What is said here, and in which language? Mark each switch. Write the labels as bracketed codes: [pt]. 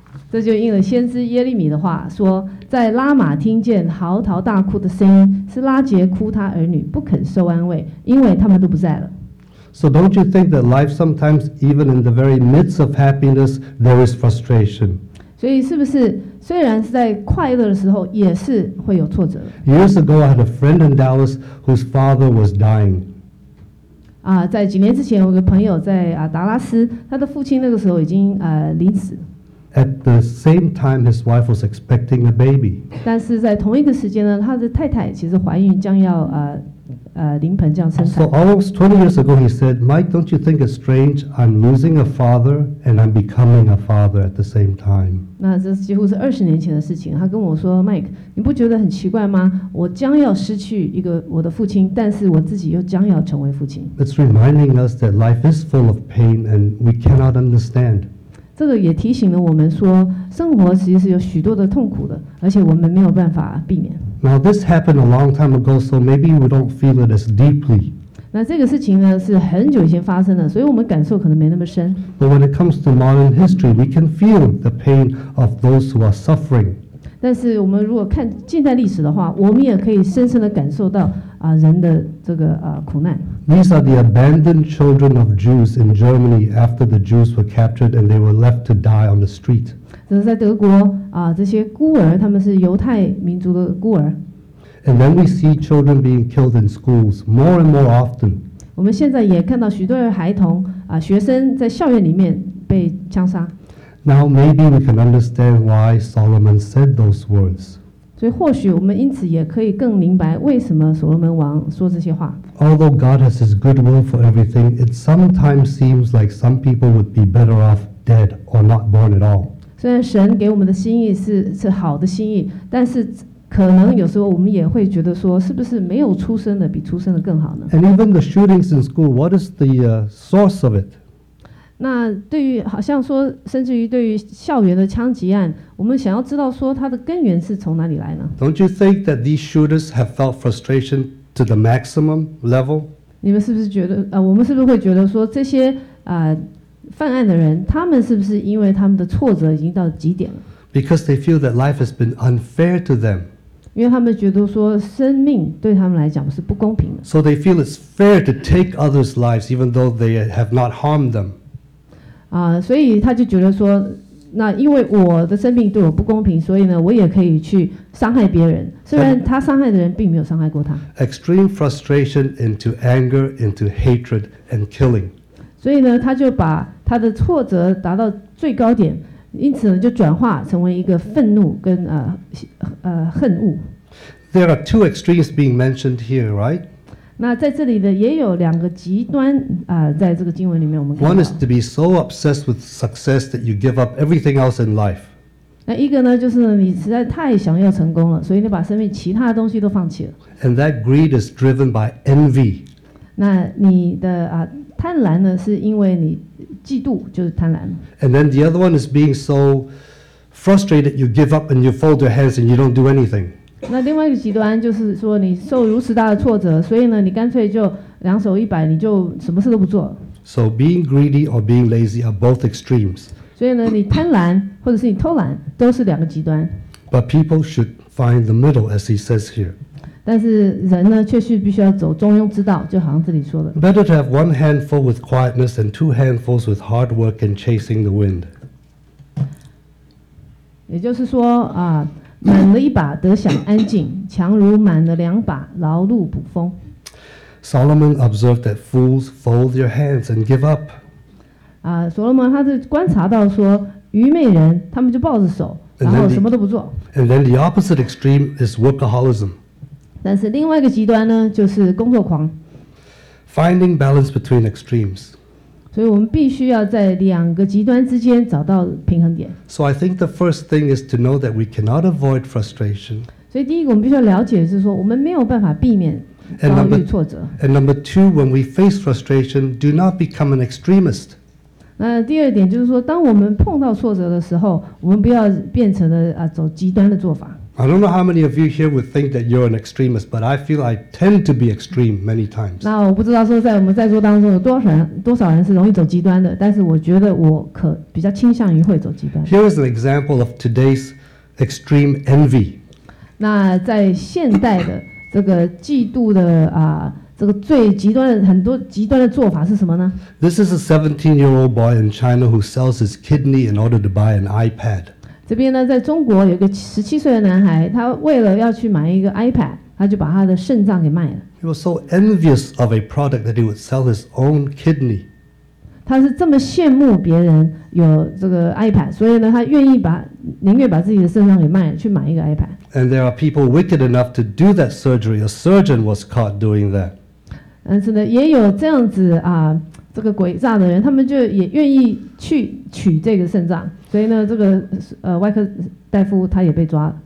[zh] 这就应了先知耶利米的话，说在拉玛听见嚎啕大哭的声音，是拉杰哭他儿女不肯受安慰，因为他们都不在了。 [en] So don't you think that life sometimes, even in the very midst of happiness, there is frustration? [zh] 所以是不是虽然是在快乐的时候，也是会有挫折 [en] ？Years ago, I had a friend in Dallas whose father was dying. [zh] 在几年之前，我有个朋友在达拉斯，他的父亲那个时候已经临死。 [en] At the same time, his wife was expecting a baby. [zh] 但是在同一个时间呢，他的太太其实怀孕将要临盆将生产。 [en] So almost 20 years ago, he said, "Mike, don't you think it's strange? I'm losing a father and I'm becoming a father at the same time." [zh] 那这几乎是20年前的事情。他跟我说 ，Mike， 你不觉得很奇怪吗？我将要失去一个我的父亲，但是我自己又将要成为父亲。 [en] It's reminding us that life is full of pain and we cannot understand. [zh] 这个也提醒了我们说，生活其实是有许多的痛苦的，而且我们没有办法避免。 [en] Now this happened a long time ago, so maybe we don't feel it as deeply. [zh] 那这个事情呢，是很久以前发生的，所以我们感受可能没那么深。 [en] But when it comes to modern history, we can feel the pain of those who are suffering. [zh] 但是我们如果看近代历史的话，我们也可以深深的感受到人的这个苦难。 [en] These are the abandoned children of Jews in Germany after the Jews were captured and they were left to die on the street. [zh] 这是在德国这些孤儿，他们是犹太民族的孤儿。 [en] And then we see children being killed in schools more and more often. [zh] 我们现在也看到许多的孩童学生在校园里面被枪杀。 [en] Now maybe we can understand why Solomon said those words. [zh] 所以或许我们因此也可以更明白为什么所罗门王说这些话。 [en] Although God has His good will for everything, it sometimes seems like some people would be better off dead or not born at all. [zh] 虽然神给我们的心意是好的心意，但是可能有时候我们也会觉得说，是不是没有出生的比出生的更好呢 [en] ？And even the shootings in school, what is the source of it? [zh] 那对于好像说，甚至于对于校园的枪击案。我们想要知道说它的根源是从哪里来呢 [en] ？Don't you think that these shooters have felt frustration to the maximum level？ [zh] 你们是不是觉得我们是不是会觉得说这些犯案的人，他们是不是因为他们的挫折已经到极点了 [en] ？Because they feel that life has been unfair to them。 [zh] 因为他们觉得说生命对他们来讲是不公平的。 [en] So they feel it's fair to take others' lives even though they have not harmed them。 [zh] 所以他就觉得说。那因为我的生命对我不公平，所以呢，我也可以去伤害别人。虽然他伤害的人并没有伤害过他。 [en] Extreme frustration into anger, into hatred and killing. [zh] 所以呢，他就把他的挫折达到最高点，因此呢，就转化成为一个愤怒跟恨恶。 [en] There are two extremes being mentioned here, right? [zh] 那在这里的也有两个极端、在这个经文里面我们看到 [en] One is to be so obsessed with success that you give up everything else in life. [zh] 那一个呢就是你实在太想要成功了所以你把生命其他的东西都放弃了 [en] And that greed is driven by envy. [zh] 那你的、贪婪呢是因为你嫉妒就是贪婪 [en] And then the other one is being so frustrated you give up and you fold your hands and you don't do anything. [zh] 那另外一个极端就是说你受如此大的挫折所以呢你干脆就两手一摆你就什么事都不做 [en] So being greedy or being lazy are both extremes [zh] 所以呢你贪婪或者是你偷懒都是两个极端 [en] But people should find the middle as he says here [zh] 但是人呢却是必须要走中庸之道就好像这里说的 [en] Better to have one handful with quietness and two handfuls with hard work and chasing the wind [zh] 也就是说啊满了一把得享安静，强如满了两把劳碌捕风。 [en] Solomon observed that fools fold their hands and give up. [zh] 啊，所罗门他是观察到说，愚昧人他们就抱着手，然后什么都不做。 [en] And then the opposite extreme is workaholism. [zh] 但是另外一个极端呢，就是工作狂。 [en] Finding balance between extremes. [zh] 所以我们必须要在两个极端之间找到平衡点。 [en] So I think the first thing is to know that we cannot avoid frustration. [zh] 所以第一个我们必须要了解的是说我们没有办法避免遭遇挫折。 [en] And number two, when we face frustration, do not become an extremist. [zh] 那第二点就是说当我们碰到挫折的时候我们不要变成了、走极端的做法。 [en] I don't know how many of you here would think that you're an extremist, but I feel I tend to be extreme many times. [zh] 那我不知道说在我们在座当中有多少人是容易走极端的，但是我觉得我可比较倾向于会走极端。 [en] Here is an example of today's extreme envy. [zh] 那在现代的这个嫉妒的这个最极端的很多极端的做法是什么呢 [en] ？This is a 17-year-old boy in China who sells his kidney in order to buy an iPad. [zh] 这边呢在中国有个17岁的男孩他为了要去买一个 iPad 他就把他的肾脏给卖了 [en] He was so envious of a product that he would sell his own kidney [zh] 他是这么羡慕别人有这个 iPad 所以呢他愿意把宁愿把自己的肾脏给卖了去买一个 iPad [en] And there are people wicked enough to do that surgery A surgeon was caught doing that [zh] 但是呢也有这样子啊这个诡诈的人他们就也愿意去取这个肾脏所以呢这个、外科大夫他也被抓了